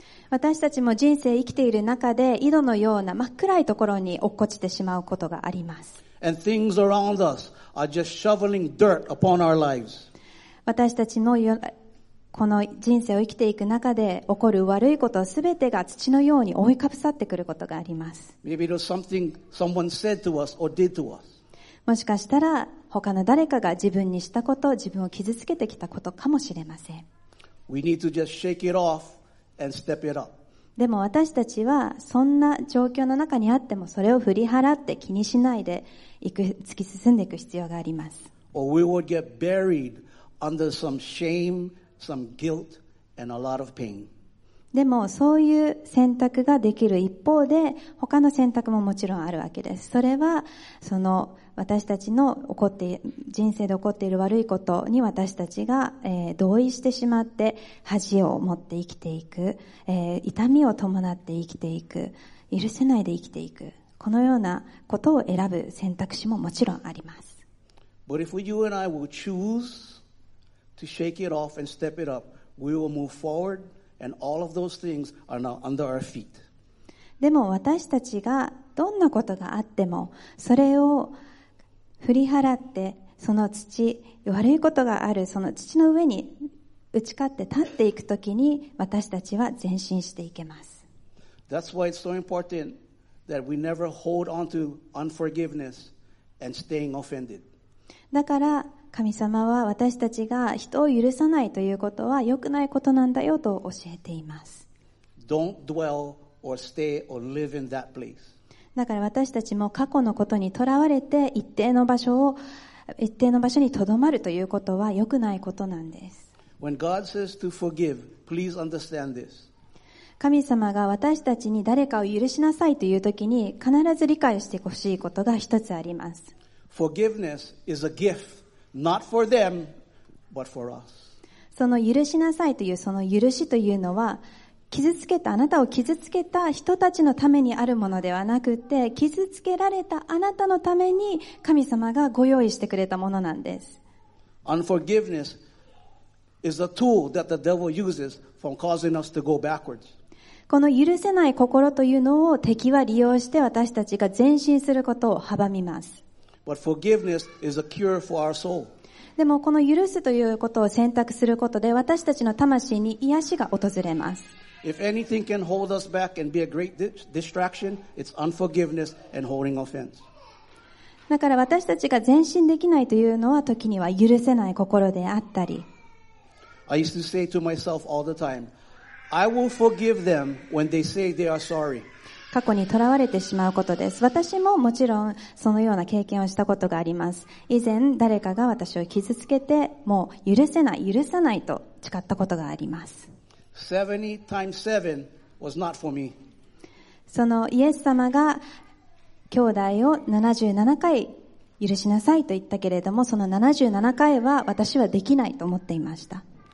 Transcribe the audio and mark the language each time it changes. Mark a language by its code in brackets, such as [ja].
[ja] 私たちも人生生きている中で井戸のような真っ暗いところに落っこちてしまうことがあります。 [en] And things around us are just shoveling dirt upon our lives. [ja] 私たちのこの人生を生きていく中で起こる悪いことすべてが土のように覆いかぶさってくることがあります。 [en] Maybe it was something someone said to us or did to us. [ja] もしかしたら他の誰かが自分にしたこと、自分を傷つけてきたことかもしれません。 [en] We need to just shake it off and step it up. [ja] でも私たちはそんな状況の中にあってもそれを振り払って気にしないで突き進んでいく必要があります。 [en] Or we would get buried under some shame. Some guilt and a lot of pain. [ja] でもそういう選択ができる一方で他の選択ももちろんあるわけです。それはその私たちの起こって人生で起こっている悪いことに私たちが、同意してしまって恥を持って生きていく、痛みを伴って生きていく、許せないで生きていく、このようなことを選ぶ選択肢ももちろんあります。 [en] But if you and I will chooseTo shake it off and step it up, we will move forward, and all of those things are now under our feet. [ja] でも私たちがどんなことがあっても、それを振り払って、その土、悪いことがあるその土の上に打ち勝って立っていくときに、私たちは前進していけます。 [en] That's why it's so important that we never hold on to unforgiveness and staying offended. [ja] だから神様は私たちが人を許さないということは良くないことなんだよと教えています。 [en] Don't dwell or stay or live in that place. [ja] だから私たちも過去のことにとらわれて一定の場所にとどまるということは良くないことなんです。 [en] When God says to forgive, please understand this. [ja] 神様が私たちに誰かを許しなさいというときに必ず理解してほしいことが一つあります。 [en] Forgiveness is a gift. Not for them, but for us. [ja] その許しなさいというその許しというのは傷つけたあなたを傷つけた人たちのためにあるものではなくて傷つけられたあなたのために神様がご用意してくれたものなんです。 [en] Unforgiveness is a tool that the devil uses from causing us to go backwards. [ja] この許せない心というのを敵は利用して私たちが前進することを阻みます。 [en] But forgiveness is a cure for our soul. [ja] でもこの許すということを選択することで私たちの魂に癒しが訪れます。 [en] If anything can hold us back and be a great distraction, it's unforgiveness and holding offense. [ja] だから私たちが前進できないというのは時には許せない心であったり。 [en] I used to say to myself all the time, I will forgive them when they say they are sorry. [ja] 過去に囚われてしまうことです。私ももちろんそのような経験をしたことがあります。以前誰かが私を傷つけて、もう許せない、許さないと誓ったことがあります。 [en] 70 times 7 was not for me. [ja] そのイエス様が兄弟を77回許しなさいと言ったけれども、その77回は私はできないと思っていました。